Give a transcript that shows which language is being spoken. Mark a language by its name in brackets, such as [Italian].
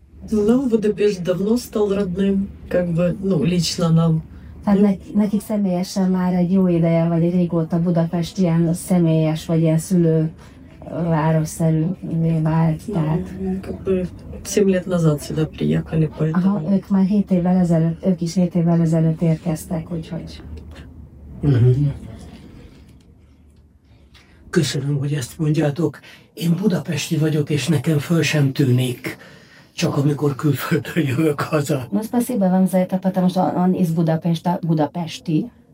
[Russian] Нам Будапешт давно стал родным, как бы, ну, лично нам. [Hungarian] Tehát nekik személyesen már egy jó ideje, vagy régóta Budapest ilyen személyes, vagy ilyen szülő városszerű vált. Tehát... ők már 7 évvel ezelőtt, ők is 7 évvel ezelőtt érkeztek, úgyhogy. Köszönöm, hogy ezt mondjátok. Én budapesti vagyok, és nekem föl sem tűnik. Csak amikor külföldön jövök haza. Most [Russian] спасибо вам за это, потому что он из Будапешта, Будапешти.